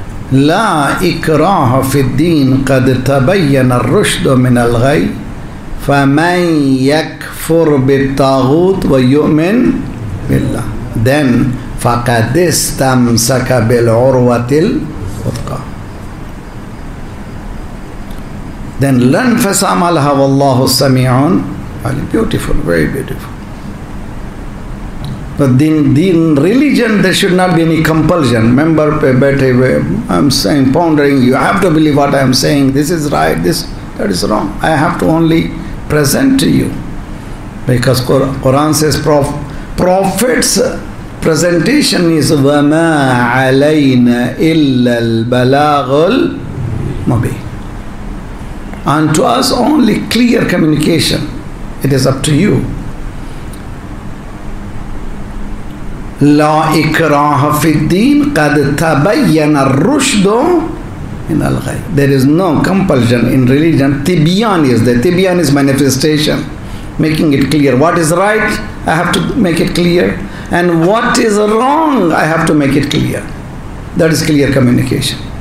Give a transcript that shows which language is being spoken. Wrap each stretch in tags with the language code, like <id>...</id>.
<ar>لا إكراه في الدين قد تبين الرشد من الغي فمن يكفر بالطاغوت ويؤمن بالله then فقد استمسك بالعروة الوثقى then لن فسام لها والله السميع</ar> <en>beautiful, very beautiful. But then religion, there should not be any compulsion. Remember, I'm saying, pondering, you have to believe what I'm saying. This is right, that is wrong. I have to only present to you. Because Quran says, Prophet's presentation is,</en> <ar>وَمَا عَلَيْنَا إِلَّا الْبَلَاغُ الْمُبِينَ.</ar> <en>And to us, only clear communication. It is up to you.</en> <ar>لا إكراه في الدين قد تبين الرشد من الغي.</ar> <en>There is no compulsion in religion. Tibyan is there. Tibyan is manifestation. Making it clear. What is right? I have to make it clear. And what is wrong? I have to make it clear. That is clear communication.</en>